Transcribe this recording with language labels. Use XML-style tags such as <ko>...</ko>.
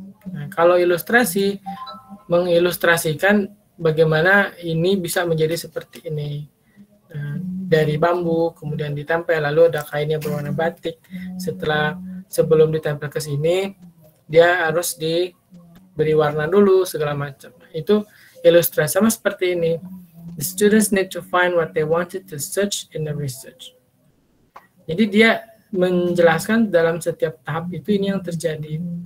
<id>Nah, kalau ilustrasi, mengilustrasikan bagaimana ini bisa menjadi seperti ini. Dari bambu, kemudian ditempel, lalu ada kainnya berwarna batik. Setelah sebelum ditempel ke sini, dia harus diberi warna dulu, segala macam. Itu ilustrasi sama seperti ini.</id> <en>The students need to find what they wanted to search in the research.</en> <id>Jadi dia menjelaskan dalam setiap tahap itu ini yang terjadi.</id>